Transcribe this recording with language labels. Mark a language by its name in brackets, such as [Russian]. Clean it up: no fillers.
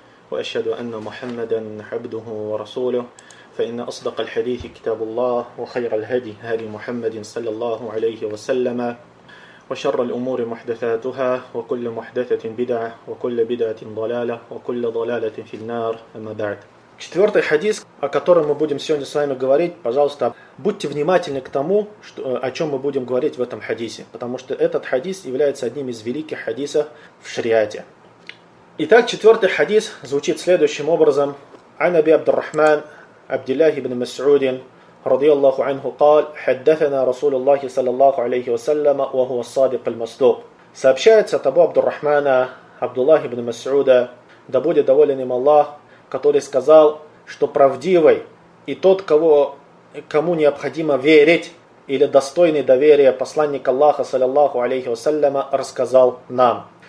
[Arabic] وأشهد أن محمدا عبده ورسوله فإن أصدق الحديث كتاب الله وخير الهدي هدي محمد صلى الله عليه وسلم وشر الأمور محدثاتها وكل محدثة بدعة وكل بدعة ضلالة وكل ضلالة في النار أما بعد. [Russian] Четвертый хадис, о котором мы будем сегодня с вами говорить, пожалуйста, будьте внимательны к тому, что, о чем мы будем говорить в этом хадисе, потому что этот хадис является одним из великих хадисов в шариате. Итак, четвертый хадис звучит следующим образом. [Arabic] عن أبي عبد الرحمن عبد الله بن مسعود رضي الله عنه قال حدثنا رسول الله صلى الله عليه وسلم وهو الصادق المصدوق. [Russian] Сообщается от Абу Абдур-Рахмана Абдуллахи ибн Масуда, да будет доволен им Аллах, который сказал, что правдивый и тот, кому необходимо верить или достойный доверия посланник Аллаха саллаллаху алейхи вассаляма рассказал нам.